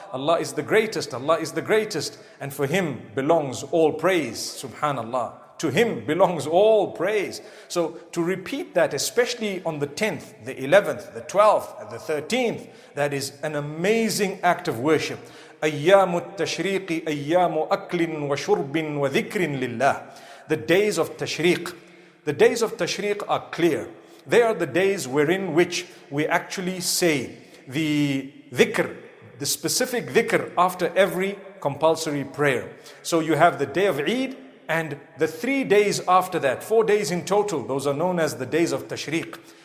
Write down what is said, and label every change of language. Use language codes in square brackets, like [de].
[en] Allah is the greatest, Allah is the greatest, and for Him belongs all praise, subhanallah. To Him belongs all praise. So to repeat that, especially on the 10th, the 11th, the 12th, and the 13th, that is an amazing act of worship. [ar] أيام التشريق أيام أكل وشرب وذكر لله. [en] The days of Tashriq. The days of Tashriq are clear. They are the days wherein which we actually say the dhikr, the specific dhikr after every compulsory prayer. So you have the day of Eid and the 3 days after that, 4 days in total, those are known as the days of Tashriq.